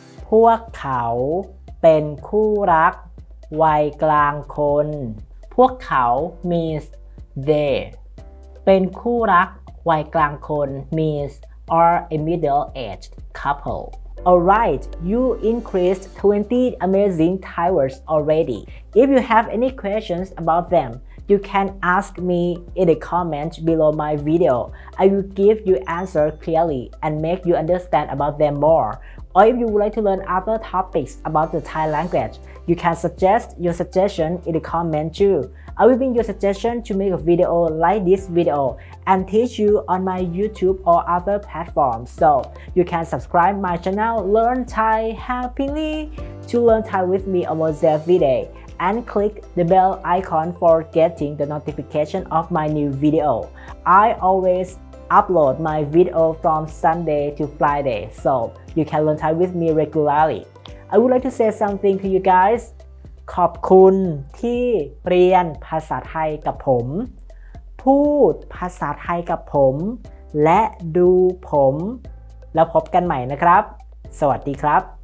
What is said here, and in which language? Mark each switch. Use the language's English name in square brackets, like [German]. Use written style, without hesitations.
[Thai] พวกเขาเป็นคู่รักวัยกลางคนพวกเขา [English] means they [Thai] เป็นคู่รักวัยกลางคน [English] means are a middle-aged couple Alright, you increased 20 amazing Thai words already. If you have any questions about them, you can ask me in the comments below my video. I will give you answer clearly and make you understand about them more. Or if you would like to learn other topics about the Thai language, you can suggest your suggestion in the comment too. I will bring your suggestion to make a video like this video and teach you on my YouTube or other platforms. So you can subscribe my channel Learn Thai Happily to learn Thai with me almost every day and click the bell icon for getting the notification of my new video. I always upload my video from Sunday to Friday, so you can learn Thai with me regularly. I would like to say something to you guys. [Thai] ขอบคุณที่เรียนภาษาไทยกับผมพูดภาษาไทยกับผมและดูผมแล้วพบกันใหม่นะครับสวัสดีครับ